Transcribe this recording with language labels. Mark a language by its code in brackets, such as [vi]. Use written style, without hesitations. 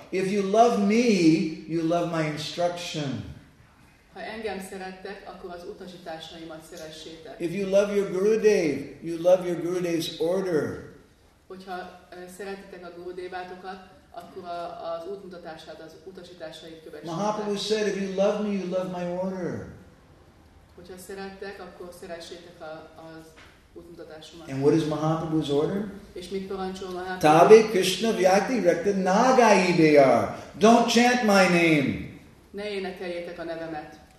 [en] If you love me, you love my instruction. [hu] Ha engem szerettek, akkor az utasításaimat szeressétek. [en] If you love your Gurudev, you love your Gurudev's order. [hu] Hogyha szeretitek a Gurudevátokat, akkor az útmutatását, az utasításait követjétek. [en] Mahaprabhu said, if you love me, you love my order. [hu] Hogyha szerettek, akkor szeressétek az útmutatásomat. [en] And what is Mahaprabhu's order? [hu] És mit parancsol Mahaprabhu? [bn] Tabe Krishna vyati rakta nagaideyar. [en] Don't chant my name. [hu] Ne énekeljétek a nevemet.